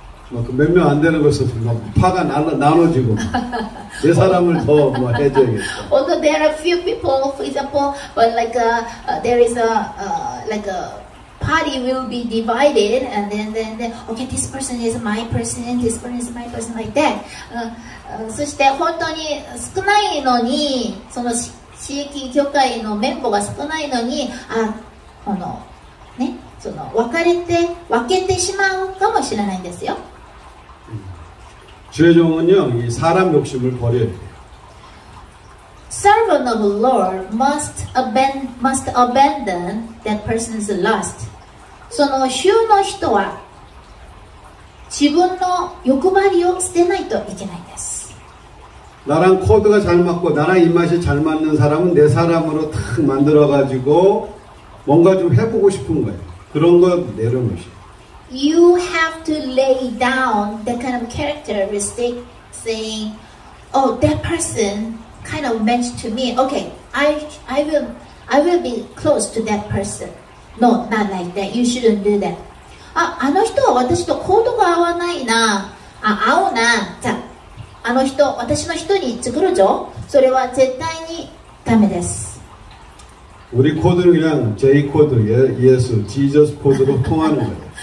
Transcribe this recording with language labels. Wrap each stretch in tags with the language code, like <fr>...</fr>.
<ko>그몇명안되는것에서파가나눠지고내사람을더뭐해줘야겠다</ko> <en>Although there are a few people, for example, but like there is a like a party will be divided, and then okay, this person is my person, this person is my person like that.</en> <ja>そして本当に少ないのにその地域教会のメンバーが少ないのにあこのねその分けてしまうかもしれないんですよ。</ja> <ko>주의종은요이사람욕심을버려야돼요</ko> <en>Servant of the Lord must abandon that person's lust.</en> <ja>その主の人は自分の欲張りを捨てないといけないです。</ja> <ko>나랑코드가잘맞고나랑입맛이잘맞는사람은내사람으로탁만들어가지고뭔가좀해보고싶은거예요그런거내려놓으시고</ko> <en>You have to lay down that kind of characteristic saying, oh, that person kind of matched to me. Okay, I will be close to that person. No, not like that. You shouldn't do that.</en> <ja>あの人は私とコードが合わないな。あ、合うな。じゃあ、あの人、私の人に作るぞ。それは絶対にダメです。</ja> <ko>우리코드는그냥 J 코드예수지저스코드로통하는거예요</ko>